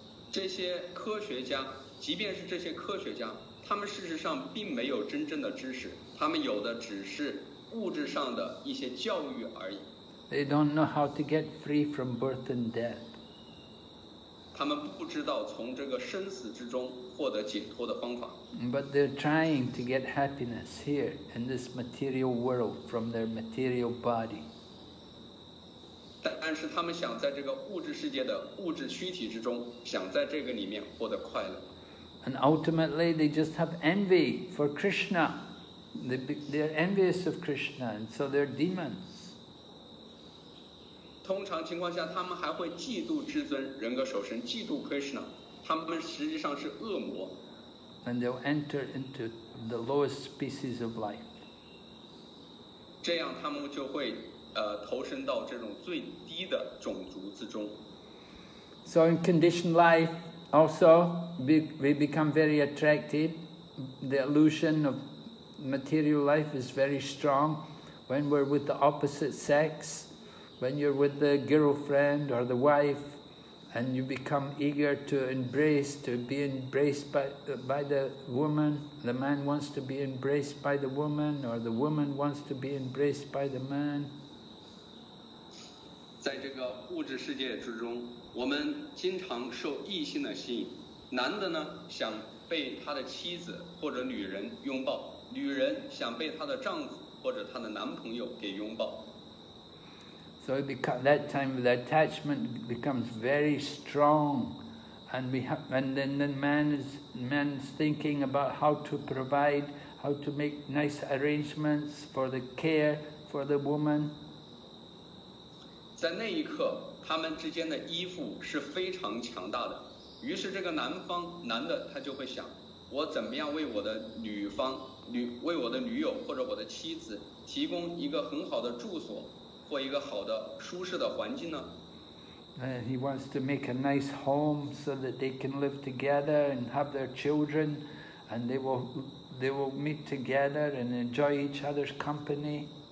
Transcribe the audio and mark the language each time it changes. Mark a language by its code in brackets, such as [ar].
[zh] 这些科学家，即便是这些科学家，他们事实上并没有真正的知识。他们有的只是物质上的一些教育而已。 [en] They don't know how to get free from birth and death. [zh] 他们不知道从这个生死之中获得解脱的方法。 [en] But they're trying to get happiness here in this material world from their material body. [zh] 但是他们想在这个物质世界的物质躯体之中，想在这个里面获得快乐。 [en] And ultimately, they just have envy for Krishna. They are envious of Krishna, and so they're demons. [zh] 通常情况下，他们还会嫉妒至尊、人格守神、嫉妒 Krishna. 他们实际上是恶魔。 [en] And they'll enter into the lowest species of life. [zh] 这样他们就会投身到这种最低的种族之中。 [en] So in conditioned life, also we become very attracted. The illusion ofMaterial life is very strong. When we're with the opposite sex, when you're with the girlfriend or the wife, and you become eager to embrace, to be embraced by the woman, the man wants to be embraced by the woman, or the woman wants to be embraced by the man. [zh] 在这个物质世界之中，我们经常受异性的吸引。男的呢，想被他的妻子或者女人拥抱。女人想被她的丈夫或者她的男朋友给拥抱。 [en] So that time the attachment becomes very strong, and man's thinking about how to provide, how to make nice arrangements for the care for the woman. [zh] 在那一刻，他们之间的依附是非常强大的。于是这个男的他就会想，我怎么样为我的女方。为我的女友或者我的妻子提供一个很好的住所或一个好的舒适的环境呢？ [en] And he wants to make a nice home so that they can live together and have their children, and they will meet together and enjoy each other's company.